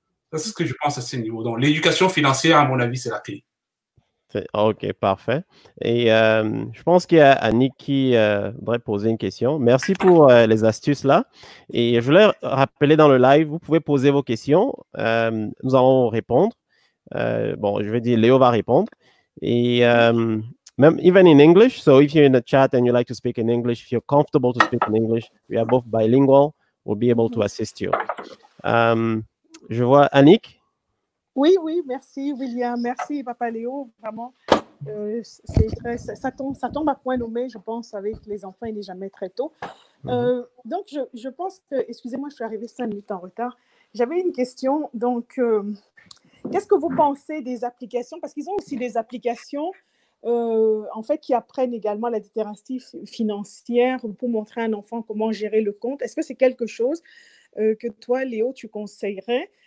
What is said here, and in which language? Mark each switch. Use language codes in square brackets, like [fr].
[fr] Ça, c'est ce que je pense à ce niveau. Donc, l'éducation financière, à mon avis, c'est la clé. OK, parfait. Et je pense qu'il y a Annick qui voudrait poser une question. Merci pour les astuces là. Et je voulais rappeler dans le live, vous pouvez poser vos questions. Nous allons répondre. Bon, je vais dire, Léo va répondre. Et même, [en] even in English, so if you're in the chat and you like to speak in English, if you're comfortable to speak in English, we are both bilingual, we'll be able to assist you. [fr] Je vois Annick. Oui, oui, merci William, merci Papa Léo, vraiment, c'est très, ça tombe à point nommé, je pense, avec les enfants, il n'est jamais très tôt. Donc, je pense que, excusez-moi, je suis arrivée 5 minutes en retard, j'avais une question, donc, qu'est-ce que vous pensez des applications, parce qu'ils ont aussi des applications, en fait, qui apprennent également la littératie financière pour montrer à un enfant comment gérer le compte, est-ce que c'est quelque chose que toi, Léo, tu conseillerais?